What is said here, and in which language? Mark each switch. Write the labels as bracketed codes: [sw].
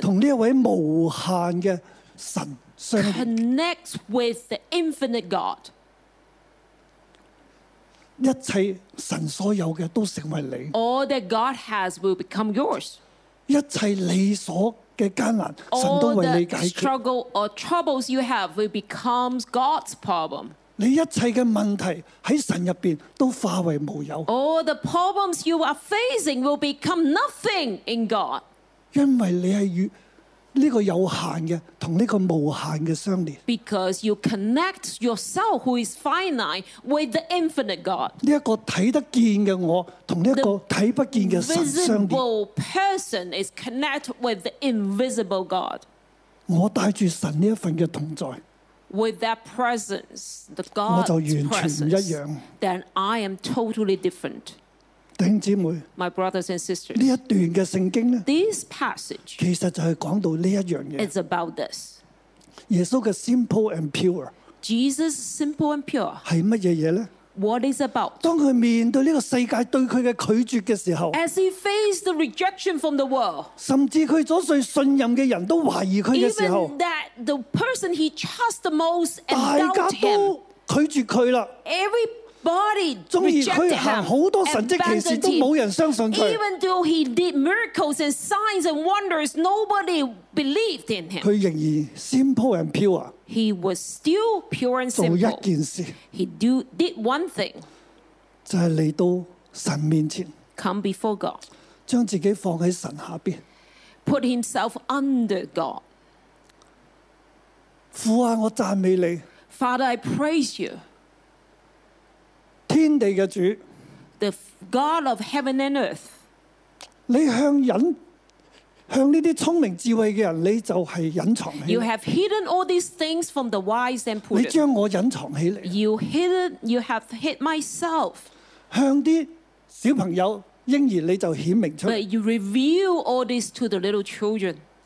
[zh] 和这位无限的神相连, [en] connect with the infinite God. [zh] 一切神所有的都成为你。 [en] All that God has will become yours. [zh] 一切你所的艰难，神都为你解决。 [en] All the struggle or troubles you have will become God's problem. [zh] 你一切的问题在神入边都化为无有。 [en] All the problems you are facing will become nothing in God. [zh] 因为你是与这个有限的和这个无限的相连。 [en] Because you connect yourself who is finite with the infinite God. [zh] 这个看得见的我和这个看不见的神相连。 [en] The visible person is connected with the invisible God. [zh] 我带着神这份的同在。 [en] With that presence, the God's presence. [zh] 我就完全不一样。 [en] Then I am totally different. [zh] 弟兄姊妹 [en] My brothers and sisters, [zh] 这一段的圣经呢 [en] This passage, [zh] 其实就是讲到这一样东西 [en] It's about this. [zh] 耶稣的 simple and pure, [en] Jesus simple and pure, [zh] 是什么东西呢 [en] What is about? [zh] 当他面对这个世界对他的拒绝的时候 [en] As he faced the rejection from the world, [zh] 甚至他所最信任的人都怀疑他的时候 [en] Even that the person he trusts the most and doubt him, [zh] 大家都拒绝他了 [en] Everybody rejected him, abandoned him. Even though he did miracles and signs and wonders, nobody believed in him. [zh] 他仍然 simple and pure. [en] He was still pure and simple. [zh] 做一件事, [en] he did one thing. [zh] 就是来到神面前, [en] come before God. [zh] 将自己放在神下边, [en] put himself under God. [zh] 父啊, 我赞美你, [en] Father, I praise you. [zh] 天地的主 [en] The God of heaven and earth [zh] 你向人向这些聪明智慧的人你就是隐藏起来 [en] You have hidden all these things from the wise and prudent [zh] 你将我隐藏起来 [en] You have hid myself [zh] 向那些小朋友婴儿你就显明出来 [en] But you reveal all this to the little children